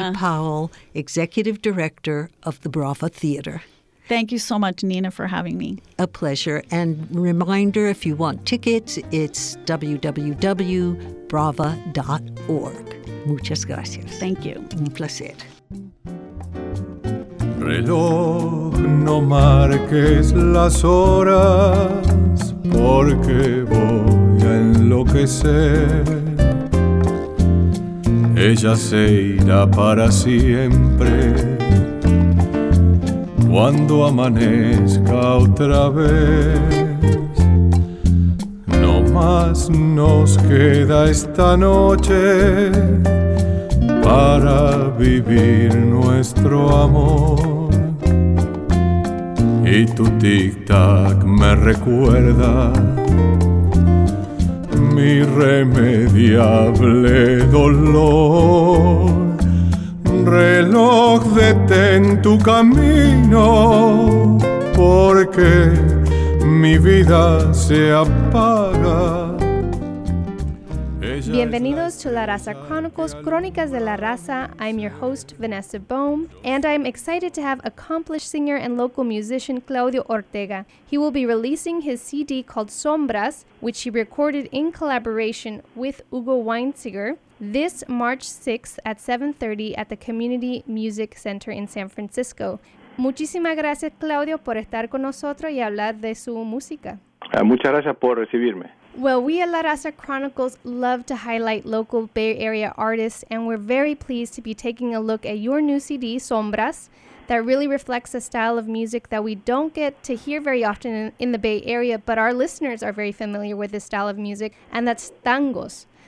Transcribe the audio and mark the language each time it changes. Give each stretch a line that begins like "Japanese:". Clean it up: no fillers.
English: Powell, Executive Director of the Brava Theater. Thank you so much, Nina, for having me. A pleasure. And reminder, if you want tickets, it's www.brava.org.
Spanish: Muchas gracias.
English: Thank you.
Spanish: Un placer. Reloj, no marques las horas, porque voy a enloquecer. Ella se irá para siempre cuando amanezca otra vez. No más nos queda esta noche para vivir nuestro amor. Y tu tic-tac me recuerda mi irremediable dolor. Reloj, detén tu camino, porque mi vida se apaga.
English: Bienvenidos to La Raza Chronicles, Cronicas de la Raza. I'm your host, Vanessa Bohm, and I'm excited to have accomplished singer and local musician Claudio Ortega. He will be releasing his CD called Sombras, which he recorded in collaboration with Hugo Weinziger, this March 6th at 7:30 at the Community Music Center in San Francisco.
Spanish: Muchísimas gracias, Claudio, por estar con nosotros y hablar de su música. Muchas gracias por recibirme.
English: Well, we at La Raza Chronicles love to highlight local Bay Area artists, and we're very pleased to be taking a look at your new CD, Sombras, that really reflects a style of music that we don't get to hear very often in the Bay Area, but our listeners are very familiar with this style of music, and that's tangos.